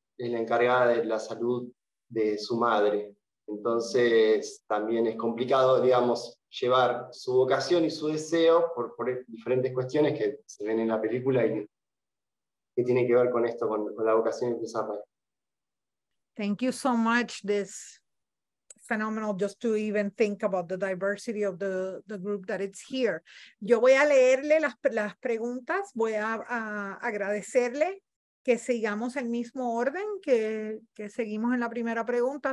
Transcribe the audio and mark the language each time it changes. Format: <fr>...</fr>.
<es>es la encargada de la salud de su madre. Entonces también es complicado, digamos, llevar su vocación y su deseo por diferentes cuestiones que se ven en la película y que tienen que ver con esto, con la vocación y el desarrollo.</es> <en>Thank you so much. This phenomenal just to even think about the diversity of the group that it's here.</en> <es>Yo voy a leerle las preguntas, voy a agradecerle que sigamos el mismo orden que seguimos en la primera pregunta.</es>